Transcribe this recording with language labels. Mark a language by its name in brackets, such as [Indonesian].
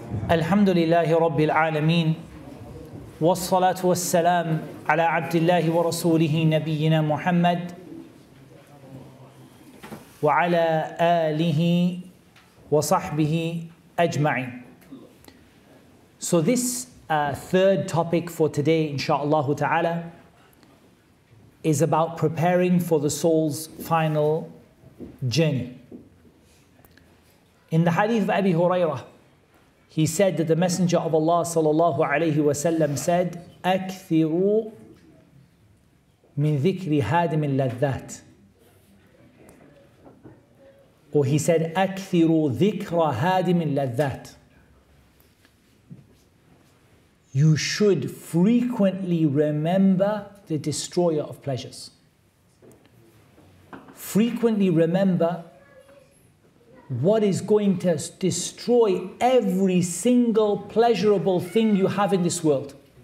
[Arabic] الحمد لله رب العالمين والصلاة والسلام على عبد الله ورسوله نبينا محمد وعلى آله وصحبه أجمعين. [English] So this third topic for today, inshallah ta'ala, is about preparing for the soul's final journey. In the hadith of Abi Hurairah, he said that the Messenger of Allah sallallahu alayhi wa sallam said, [Arabic] أَكْثِرُوا مِن ذِكْرِ هَادِمِ اللَّذَّاتِ. [English] Or he said, [Arabic] أَكْثِرُوا ذِكْرَ هَادِمِ اللَّذَّاتِ. [English] You should frequently remember the destroyer of pleasures. Frequently remember what is going to destroy every single pleasurable thing you have in this world.